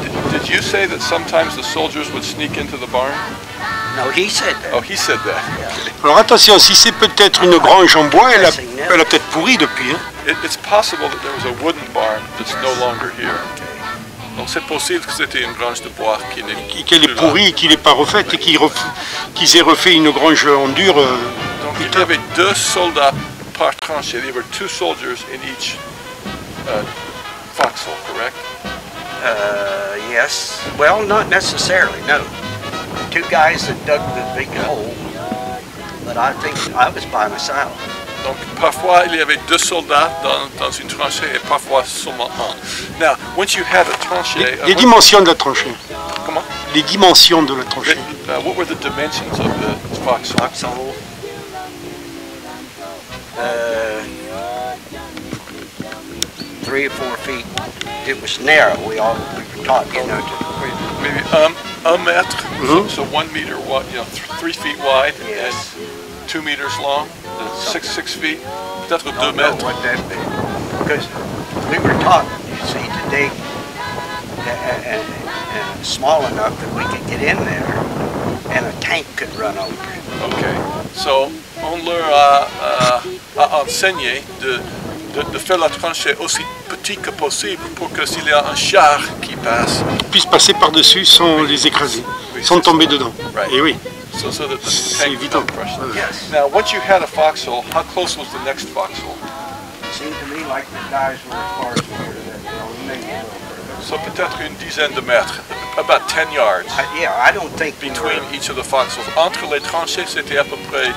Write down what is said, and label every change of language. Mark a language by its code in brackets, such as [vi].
[en] Did you say that sometimes the soldiers would sneak into the barn? No, he said that. Oh, he said that. Yeah. [fr] Alors attention, si c'est peut-être une grange en bois, elle a peut-être pourri depuis. Hein? [en] It's possible that there was a wooden barn that's no longer here. [fr] Donc c'est possible que c'était une grange de bois qui n'est plus là. Qu'elle est pourrie, qu'il n'est pas refaite, et qu'ils aient refait une grange en dur. Donc il y avait deux soldats par tranchée. [en] There were two soldiers in each foxhole, correct? Yes. Well, not necessarily, no. Two guys that dug the big hole, but I think I was by myself. [fr] Donc parfois il y avait deux soldats dans une tranchée et parfois seulement un. [en] Now, once you have a tranchée, [fr] les dimensions de la tranchée. Comment? Les dimensions de la tranchée. [en] What were the dimensions of the foxhole? Three or four feet. It was narrow. We were taught, you know, to. Maybe [fr] un mètre, [en] so 1 meter wide, you know, 3 feet wide, yes, and 2 meters long, and six feet, [fr] peut-être deux mètres. [en] What that be. Because we were taught, you see, to dig small enough that we could get in there, and a tank could run over. Okay, so [fr] on leur a enseigné de faire la tranchée aussi petit que possible pour que s'il y a un char qui passe, ils puissent passer par-dessus sans les écraser, sans tomber dedans. [en] Right. [fr] Et oui, [en] so that [fr] c'est évident. [en] Yes. Now, once you had a foxhole, how close was the next foxhole? Seemed to me like the guys were as far as [fr] so peut-être une dizaine de mètres, [en] about 10 yards. Yeah, I don't think between each of the foxholes. [fr] Entre les tranchées, c'était à peu près